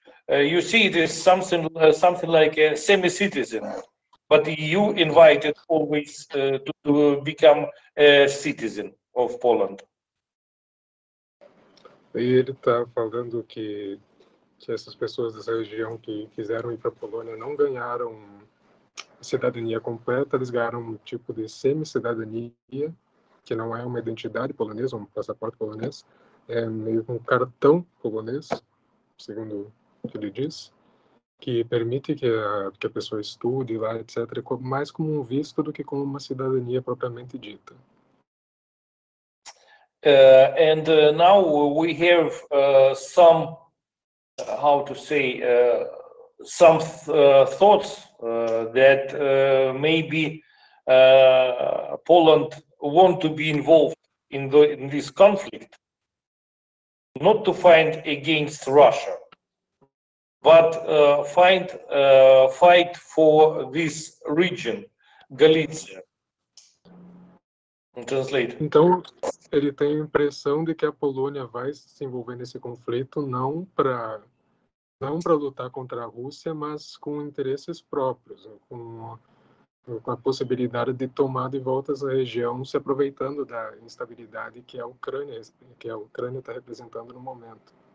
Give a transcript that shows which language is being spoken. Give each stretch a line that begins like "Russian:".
English: You see, it is something like a semi-citizen, but you invited always to become a citizen of Poland.
Portuguese: E ele está falando que essas pessoas dessa região que quiseram ir para a Polônia não ganharam cidadania completa, eles ganharam um tipo de semi-cidadania, que não é uma identidade polonesa, um passaporte polonês, é meio que um cartão polonês, segundo o que ele diz, que permite que a pessoa estude lá, etc., mais como um visto do que como uma cidadania propriamente dita.
English: And now we have some, how to say, some thoughts that maybe Poland want to be involved in this conflict, not to fight against Russia, but fight for this region, Galicia.
Portuguese: Então, ele tem a impressão de que a Polônia vai se envolver nesse conflito não para lutar contra a Rússia, mas com interesses próprios, com a possibilidade de tomar de volta essa região, se aproveitando da instabilidade que a Ucrânia está representando no momento.